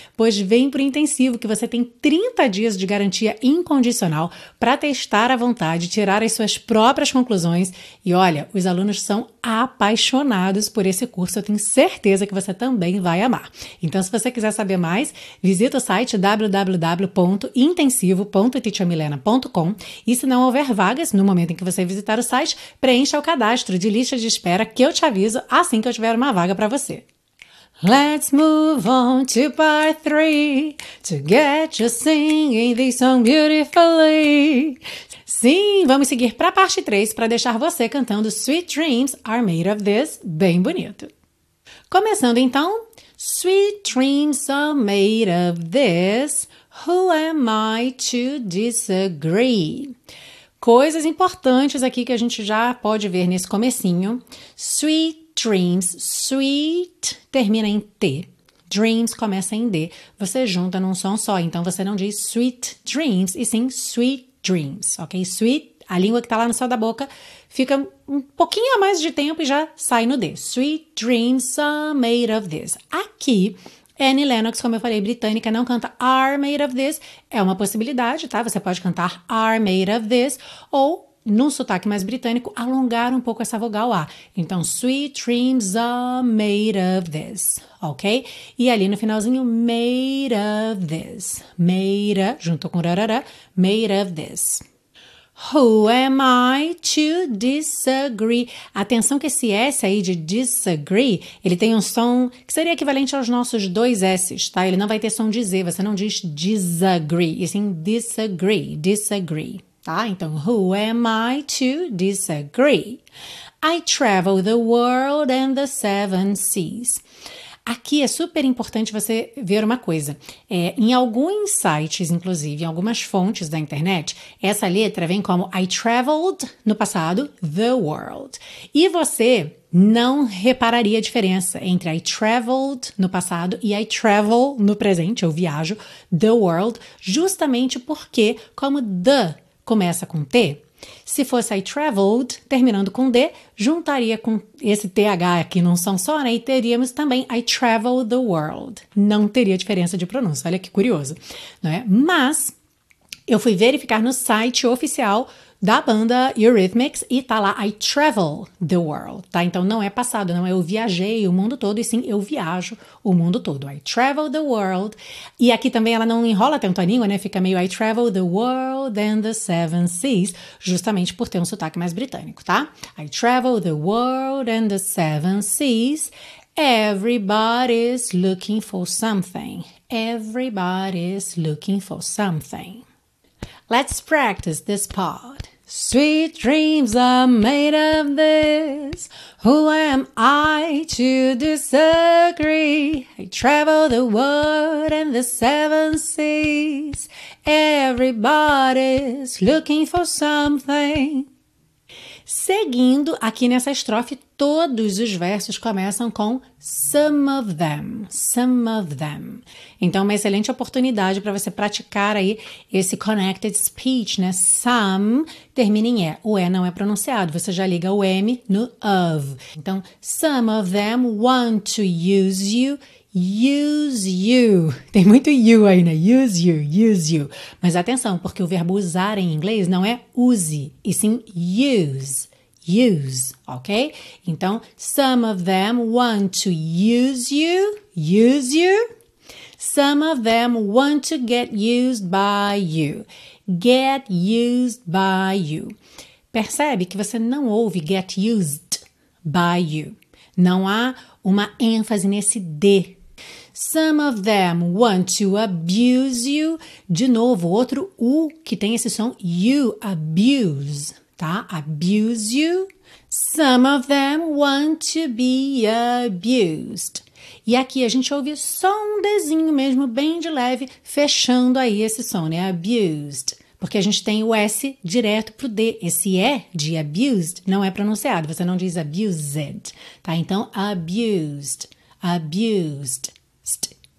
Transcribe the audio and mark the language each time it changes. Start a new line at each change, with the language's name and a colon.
Portuguese: Pois vem pro intensivo que você tem 30 dias de garantia incondicional para testar à vontade, tirar as suas próprias conclusões e olha, os alunos são apaixonados por esse curso, eu tenho certeza que você também vai amar. Então se você quiser saber mais, visita o site www.intensivo.teachermilena.com e se não houver vagas no momento em que você visitar o site, preencha o cadastro de lista de espera que eu te aviso assim que eu tiver uma vaga para você.
English: Let's move on to part 3 to get you singing this song beautifully.
Portuguese: Sim, vamos seguir para a parte 3 para deixar você cantando Sweet Dreams Are Made of This bem bonito. Começando então, Sweet Dreams Are Made of This.
English: Who am I to disagree?
Portuguese: Coisas importantes aqui que a gente já pode ver nesse comecinho.
English: Sweet dreams.
Portuguese: Sweet termina em T. Dreams começa em D. Você junta num som só. Então, você não diz
English: sweet dreams,
Portuguese: e sim sweet dreams, ok? Sweet, a língua que tá lá no céu da boca, fica um pouquinho a mais de tempo e já sai no D.
English: Sweet dreams are made of this.
Portuguese: Aqui, Annie Lennox, como eu falei, britânica, não canta
English: are made of this.
Portuguese: É uma possibilidade, tá? Você pode cantar
English: are made of this
Portuguese: ou, num sotaque mais britânico, alongar um pouco essa vogal A. Então,
English: sweet dreams are made of this,
Portuguese: ok? E ali no finalzinho,
English: made of this.
Portuguese: Made, junto com rarara, made of this.
English: Who am I to disagree?
Portuguese: Atenção que esse S aí de disagree, ele tem um som que seria equivalente aos nossos dois S, tá? Ele não vai ter som de Z, você não diz disagree, e sim disagree, disagree, tá?
English: Então, who am I to disagree? I travel the world and the seven seas.
Portuguese: Aqui é super importante você ver uma coisa. Em alguns sites, inclusive, em algumas fontes da internet, essa letra vem como I traveled, no passado, the world. E você não repararia a diferença entre
English: I traveled
Portuguese: no passado e
English: I travel
Portuguese: no presente, eu viajo,
English: the world,
Portuguese: justamente porque, como the começa com T, se fosse I traveled, terminando com D, juntaria com esse TH aqui num som só, né? E teríamos também
English: I travel the world.
Portuguese: Não teria diferença de pronúncia, olha que curioso, não é? Mas eu fui verificar no site oficial da banda Eurythmics e tá lá
English: I travel the world,
Portuguese: tá? Então não é passado, não é eu viajei o mundo todo e sim eu viajo o mundo todo.
English: I travel the world.
Portuguese: E aqui também ela não enrola tanto a língua, né? Fica meio
English: I travel the world and the seven seas,
Portuguese: justamente por ter um sotaque mais britânico, tá?
English: I travel the world and the seven seas. Everybody's looking for something. Everybody's looking for something. Let's practice this part. Sweet dreams are made of this. Who am I to disagree? I travel the world and the seven seas. Everybody's looking for something.
Portuguese: Seguindo aqui nessa estrofe, todos os versos começam com
English: some of them, some of them.
Portuguese: Então, uma excelente oportunidade para você praticar aí esse connected speech, né? Some termina em E, o E não é pronunciado, você já liga o M no of.
English: Então, some of them want to use you. Use you.
Portuguese: Tem muito
English: you
Portuguese: aí, né?
English: Use you, use you.
Portuguese: Mas atenção, porque o verbo usar em inglês não é use, e sim use, use, ok?
English: Então, some of them want to use you, use you. Some of them want to get used by you. get used by you.
Portuguese: Percebe que você não ouve
English: get used by you.
Portuguese: Não há uma ênfase nesse D.
English: Some of them want to abuse you.
Portuguese: De novo, outro U que tem esse som you, abuse, tá?
English: Abuse you. Some of them want to be abused.
Portuguese: E aqui a gente ouve só um Dzinho mesmo, bem de leve, fechando aí esse som, né? Abused. Porque a gente tem o S direto pro D. Esse E de abused não é pronunciado. Você não diz abused, tá? Então, abused, abused.